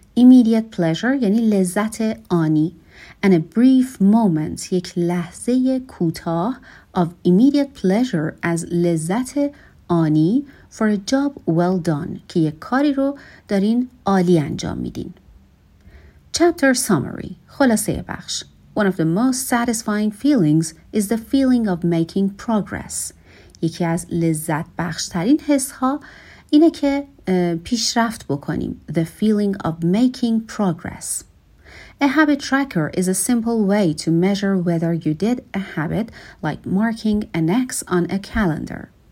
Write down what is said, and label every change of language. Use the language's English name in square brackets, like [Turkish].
[English] Immediate pleasure [Persian] یعنی لذت آنی. [English] And a brief moment [Persian] یک لحظه کوتاه [English] of immediate pleasure [Persian] از لذت آنی [English] for a job well done [Persian] که یک کاری رو دارین عالی انجام میدین. [English] Chapter summary [Persian] خلاصه بخش. [English] One of the most satisfying feelings is the feeling of making progress. [Persian] یکی از لذت بخش ترین حس ها اینه که پیشرفت بکنیم. [English] The feeling of making progress. A habit tracker is a simple way to measure whether you did a habit like marking an X on a calendar.